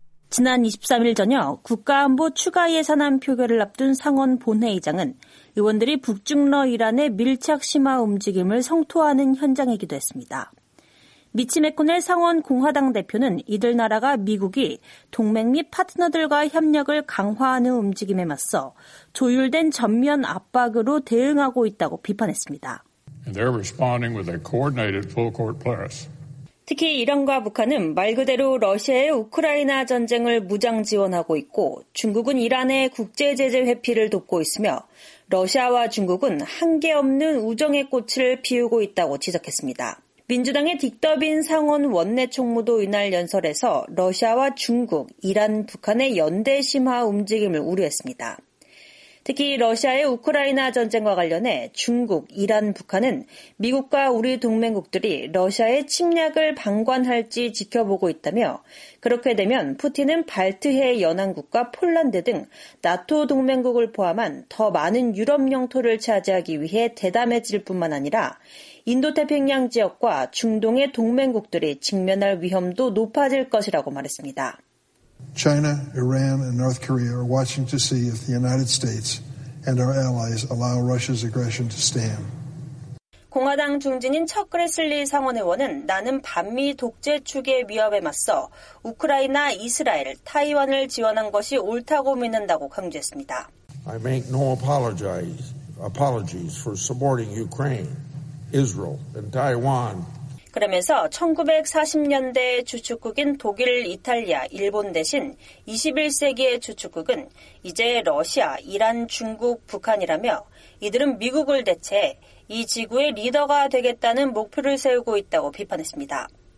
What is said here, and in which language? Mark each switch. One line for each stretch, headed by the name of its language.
Korean: 지난 23일 저녁 국가안보 추가 예산안 표결을 앞둔 상원 본회의장은 의원들이 북중러 이란의 밀착 심화 움직임을 성토하는 현장이기도 했습니다. 미치 맥코넬 상원 공화당 대표는 이들 나라가 미국이 동맹 및 파트너들과 협력을 강화하는 움직임에 맞서 조율된 전면 압박으로 대응하고 있다고 비판했습니다.
English: They're responding with a coordinated full court press.
Korean: 특히 이란과 북한은 말 그대로 러시아의 우크라이나 전쟁을 무장 지원하고 있고 중국은 이란의 국제 제재 회피를 돕고 있으며 러시아와 중국은 한계 없는 우정의 꽃을 피우고 있다고 지적했습니다. 민주당의 딕더빈 상원 원내총무도 이날 연설에서 러시아와 중국, 이란, 북한의 연대 심화 움직임을 우려했습니다. 특히 러시아의 우크라이나 전쟁과 관련해 중국, 이란, 북한은 미국과 우리 동맹국들이 러시아의 침략을 방관할지 지켜보고 있다며 그렇게 되면 푸틴은 발트해 연안국과 폴란드 등 나토 동맹국을 포함한 더 많은 유럽 영토를 차지하기 위해 대담해질 뿐만 아니라 인도태평양 지역과 중동의 동맹국들이 직면할 위험도 높아질 것이라고 말했습니다.
English: China, Iran, and North Korea are watching to see if the United States and our allies allow Russia's aggression to stand.
Korean: 공화당 중진인 척 그레슬리 상원 의원은 나는 반미 독재 축의 위협에 맞서 우크라이나, 이스라엘, 타이완을 지원한 것이 옳다고 믿는다고 강조했습니다.
English: I make no apologies for supporting Ukraine, Israel, and Taiwan.
Korean: 그러면서 1940년대 주축국인 독일, 이탈리아, 일본 대신 21세기의 주축국은 이제 러시아, 이란, 중국, 북한이라며 이들은 미국을 대체 이 지구의 리더가 되겠다는 목표를 세우고 있다고 비판했습니다.